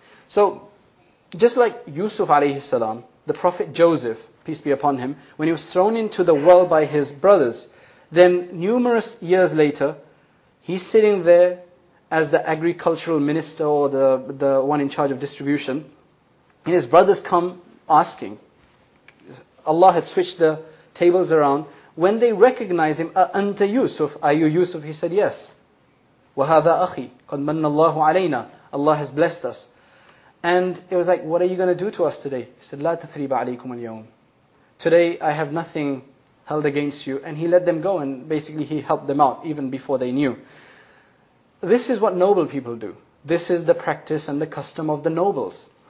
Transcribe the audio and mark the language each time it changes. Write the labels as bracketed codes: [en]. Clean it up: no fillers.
[en] So just like Yusuf alayhi salam, the Prophet Joseph, peace be upon him, when he was thrown into the well by his brothers, then numerous years later, he's sitting there as the agricultural minister or the one in charge of distribution. And his brothers come asking, Allah had switched the tables around. When they recognize him, [ar] أَأَنْتَ يُوسُفُ, [en] are you Yusuf? He said, yes. [ar] وَهَذَا أَخِي قَدْ مَنَّ اللَّهُ عَلَيْنَا, [en] Allah has blessed us. And it was like, what are you going to do to us today? He said, [ar] لَا تَثْرِيبَ عَلَيْكُمَ الْيَوْمِ, [en] today I have nothing held against you. And he let them go, and basically he helped them out even before they knew. This is what noble people do. This is the practice and the custom of the nobles.